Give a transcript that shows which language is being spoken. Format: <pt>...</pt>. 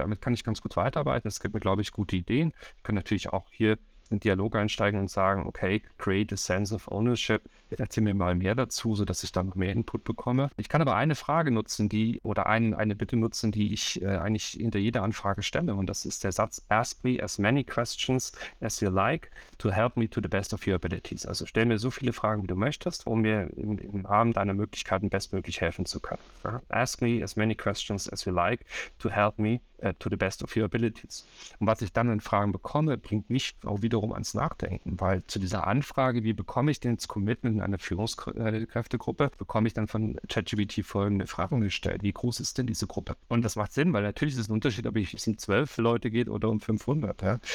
<de>Damit kann ich ganz gut weiterarbeiten. Es gibt mir, glaube ich, gute Ideen. Ich kann natürlich auch hier in Dialog einsteigen und sagen, okay, create a sense of ownership. Erzähl mir mal mehr dazu, sodass ich dann noch mehr Input bekomme. Ich kann aber eine Frage nutzen, eine Bitte nutzen, die ich eigentlich hinter jeder Anfrage stelle. Und das ist der Satz, ask me as many questions as you like to help me to the best of your abilities. Also stell mir so viele Fragen, wie du möchtest, um mir im Rahmen deiner Möglichkeiten bestmöglich helfen zu können.</de> <en>Ask me as many questions as you like to help me to the best of your abilities.</en> <de>Und was ich dann in Fragen bekomme, bringt mich auch wiederum ans Nachdenken, weil zu dieser Anfrage, wie bekomme ich denn das Commitment in einer Führungskräftegruppe, bekomme ich dann von ChatGPT folgende Fragen gestellt. Wie groß ist denn diese Gruppe? Und das macht Sinn, weil natürlich ist es ein Unterschied, ob es um 12 Leute geht oder um 500. Ja?</de>